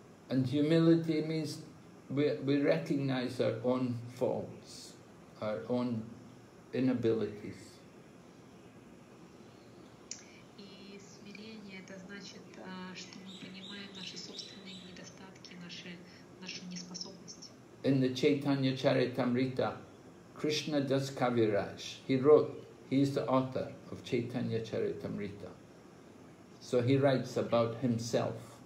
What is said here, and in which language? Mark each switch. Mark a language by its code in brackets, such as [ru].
[en] And humility means we recognize our own faults, our own inabilities. [ru] И смирение это значит, что мы понимаем наши собственные недостатки, нашу неспособность. [en] In the Chaitanya Charitamrita, Krishna does Kaviraj. He wrote, he is the author of Chaitanya Charitamrita. So he writes about himself.